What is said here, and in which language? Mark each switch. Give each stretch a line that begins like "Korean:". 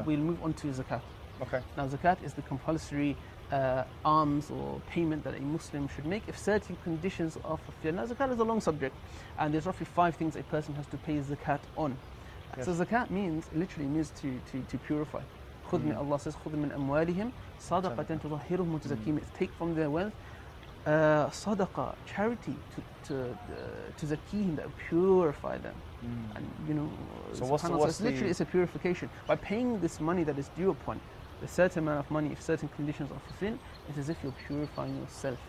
English: So we'll move on to Zakat. Okay. Now zakat is the compulsory alms or payment that a Muslim should make if certain conditions are fulfilled. Now zakat is a long subject, and there's roughly 5 things a person has to pay zakat on. Yes. So zakat literally means to purify.
Arabic: خُذْ مِنْ
English: Allah says,
Arabic: خُذْ مِنْ أَمْوَالِهِمْ صَدَقَةً تُظَهِّرُهُمْ مُتَزَكِّيمِ.
English: It's take from their wealth, صَدَقَةً, charity to zakihim, that purify them. And you know, so it's a purification. By paying this money that is due upon a certain amount of money, if certain conditions are fulfilled, it's as if you're purifying yourself.